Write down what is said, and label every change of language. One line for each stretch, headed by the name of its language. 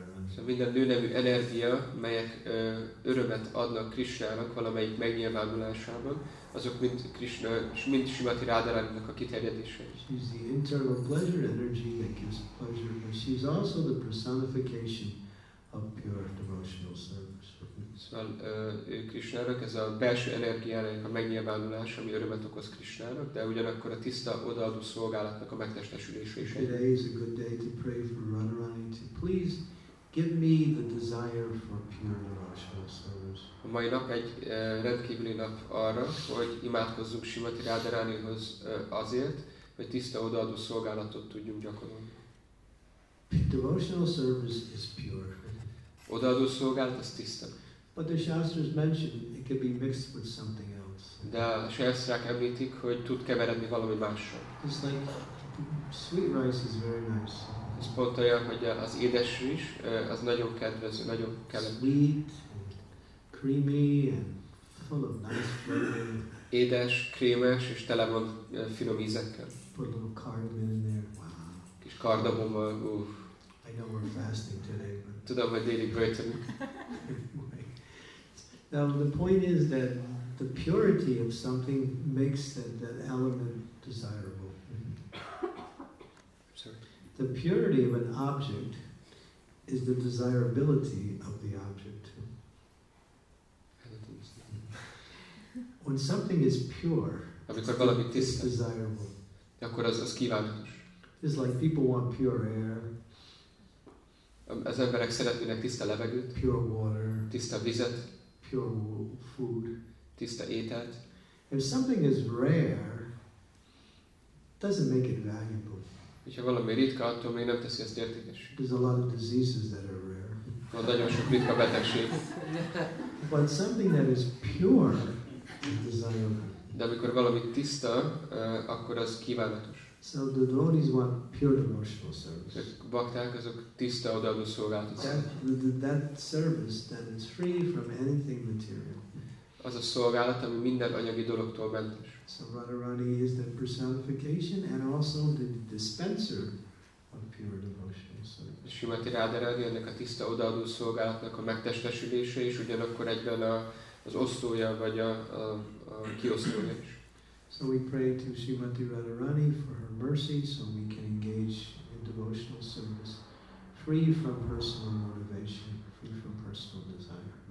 Hungarian: Szóval minden nőnemű energia, melyek örömet adnak Krishnának valamelyik megnyilvánulásában, azok mind Krishna, mind Simati Radharaninak a kiterjedése.
English: She's the internal pleasure energy that gives pleasure, but she's also the personification of pure devotional service.
Hungarian: Szóval Krishnának ez a belső energiának a megnyilvánulása, ami örömet okoz Krishnának, de ugyanakkor a tiszta odaadó szolgálatnak a megtestesülése is.
English: Today is a good day to pray for Radharani to please give me the desire for pure devotional service.
Hungarian: A mai nap egy rendkívüli nap arra, hogy imádkozzunk Simati Radharanihoz azért, hogy tiszta odaadó szolgálatot tudjunk gyakorolni.
English: Devotional service is pure.
Hungarian: Odaadó szolgálat az tiszta.
English: But the shastras mention it could be mixed with something else.
Hungarian: De a shastrák említik, hogy tud keveredni valami mással.
English: It's like sweet rice is very nice.
Hungarian: Ez pont olyan, hogy az édes rizs, az nagyon kedvező, nagyon kellemes.
English: Sweet, creamy and full of nice flavor.
Hungarian: Édes, krémes és tele van finom ízekkel.
English: Put a little cardamom in there. Wow.
Hungarian: Kis kardamom,
English: I know we're fasting today. But
Hungarian: tudom, hogy délig böjtönünk.
English: Now the point is that the purity of something makes that element desirable. Sorry. The purity of an object is the desirability of the object. When something is pure,
Hungarian: amikor valami
English: it's desirable.
Hungarian: Akkor az kívánatos.
English: It's like people want pure air.
Hungarian: Az emberek szeretnének tiszta levegőt.
English: Pure water.
Hungarian: Tiszta vizet.
English: pure food.
Hungarian: Tiszta ételt.
English: If something is rare, doesn't make it valuable.
Hungarian: És ha valami ritka, attól még nem teszi ezt értékes.
English: There's a lot of diseases that are rare.
Hungarian: Van nagyon sok ritka betegség.
English: But something that is pure is desirable.
Hungarian: De amikor valami tiszta, akkor az kívánatos.
English: So the devotees want pure devotional service.
Hungarian: A bakták azok tiszta odaadó szolgálatot.
English: That service that is free from anything material.
Hungarian: Az a szolgálat, ami minden anyagi dologtól mentes.
English: So Radharani is the personification and also the dispenser of pure devotional service.
Hungarian: Srimati Radharani ennek a tiszta odaadó szolgálatnak a megtestesülése is, ugyanakkor egyben az osztója vagy a kiosztója is.
English: So we pray to Srimati Radharani for her mercy so we can engage in devotional service free from personal motivation, free from personal desire.